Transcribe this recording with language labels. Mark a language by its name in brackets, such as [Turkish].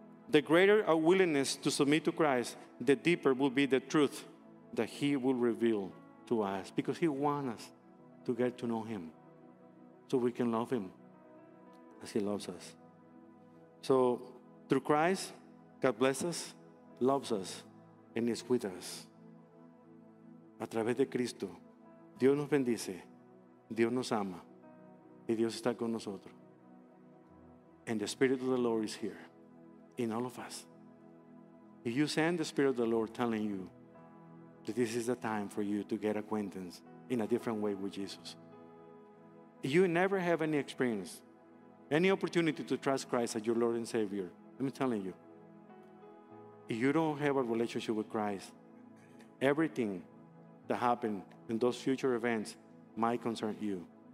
[English] The greater our willingness to submit to Christ, the deeper will be the truth that he will reveal to us, because he wants us to get to know him so we can love him as he loves us. So through Christ, God bless us, loves us, and is with us. [Spanish] A través de Cristo, Dios nos bendice, Dios nos ama, y Dios está con nosotros. [English] And the Spirit of the Lord is here in all of us. If you send the Spirit of the Lord telling you that this is the time for you to get acquaintance in a different way with Jesus, if you never have any experience, any opportunity to trust Christ as your Lord and Savior, I'm telling you, if you don't have a relationship with Christ, everything that happened in those future events might concern you.